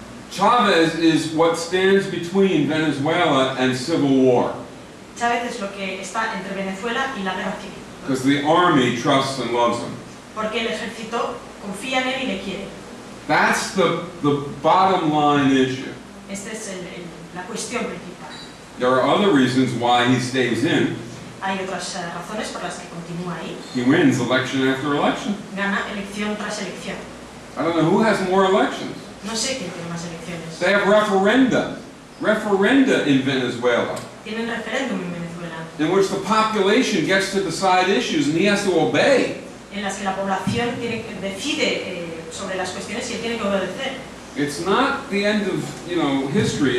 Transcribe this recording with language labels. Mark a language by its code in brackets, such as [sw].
[en] Chávez is what stands between Venezuela and civil war. [es] Chávez es lo que está entre Venezuela y la guerra civil. [en] Because the army trusts and loves him. [es] Porque el ejército confía en él y le quiere. [en] That's the bottom line issue. [es] Esta es la cuestión principal. [en] There are other reasons why he stays in. [es] Hay otras razones por las que continúa ahí. [en] He wins election after election. [es] Gana elección tras elección. [en] I don't know who has more elections. [es] No sé quién tiene más elecciones. [en] They have referenda. Referenda in Venezuela. [es] Tienen referéndum en Venezuela. [en] In which the population gets to decide issues and he has to obey. [es] En las que la población decide sobre las cuestiones y él tiene que obedecer. [en] It's not the end of, you know, history.